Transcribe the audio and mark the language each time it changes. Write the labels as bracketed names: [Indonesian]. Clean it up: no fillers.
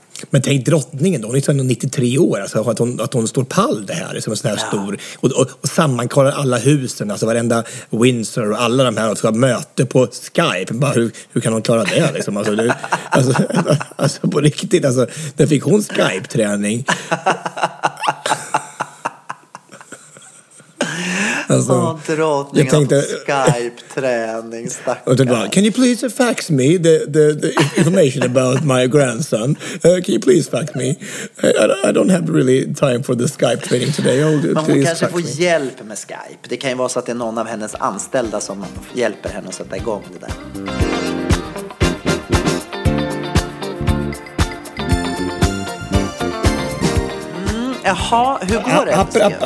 [Swedish] Men tänk drottningen då, hon är 93 år, alltså att hon står pall det här, som en sån här stor, och sammankallar alla husen, alltså varenda Windsor och alla de här, och ska ha möte på Skype, bara hur kan hon klara det liksom, alltså på riktigt, alltså, där fick hon Skype-träning. Alltså, drottningen tänkte, på Skype-träning, stackars. Bara, [English] can you please fax me the information about my grandson? Can you please fax me? I don't have really time for the Skype-training today. [Swedish] Men hon kanske får hjälp med Skype. Det kan ju vara så att det är någon av hennes anställda som hjälper henne att sätta igång det där. Jaha, hur går det?